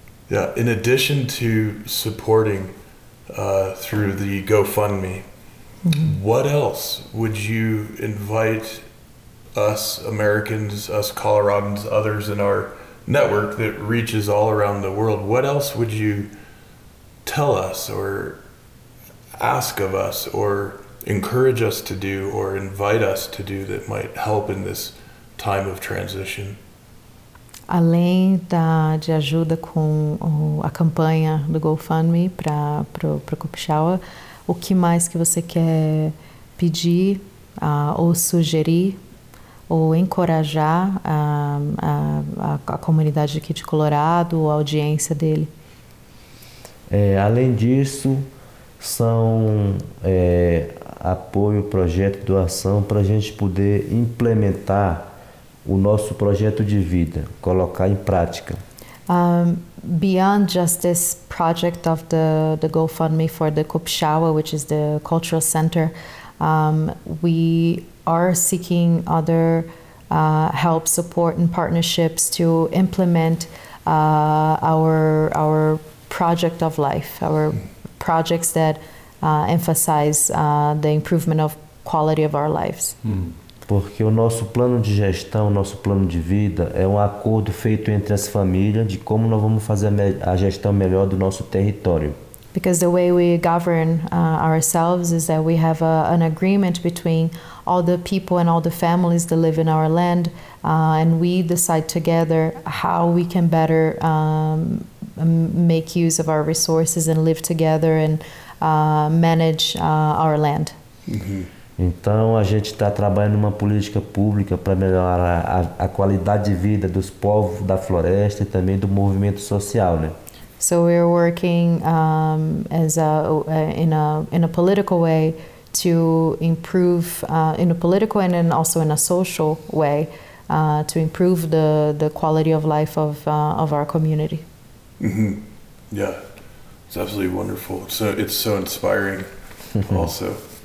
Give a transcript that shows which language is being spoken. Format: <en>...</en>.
<en>Yeah, in addition to supporting through the GoFundMe, what else would you invite us Americans, us Coloradans, others in our network that reaches all around the world, what else would you tell us or ask of us or encourage us to do or invite us to do that might help in this time of transition?</en> <pt>Além de ajuda com a campanha do GoFundMe para o Kupchawa, o que mais que você quer pedir ou sugerir ou encorajar a comunidade aqui de Colorado, a audiência dele? Além disso, são apoio, projeto, doação para a gente poder implementar o nosso projeto de vida, colocar em prática.</pt> <en>Beyond just this project of the GoFundMe for the Kupchawa, which is the cultural center, we are seeking other help, support, and partnerships to implement our project of life, our projects that emphasize the improvement of quality of our lives.</en> <pt>Porque o nosso plano de gestão, o nosso plano de vida é um acordo feito entre as famílias de como nós vamos fazer a gestão melhor do nosso território.</pt> <en>Because the way we govern ourselves is that we have an agreement between all the people and all the families that live in our land, and we decide together how we can better make use of our resources and live together and manage our land.</en> <pt>Então a gente está trabalhando numa política pública para melhorar a qualidade de vida dos povos da floresta e também do movimento social, né?</pt> <en>So we're working in a political way to improve in a political and then also in a social way to improve the quality of life of our community. Mm-hmm. Yeah, it's absolutely wonderful. So it's so inspiring, also.</en>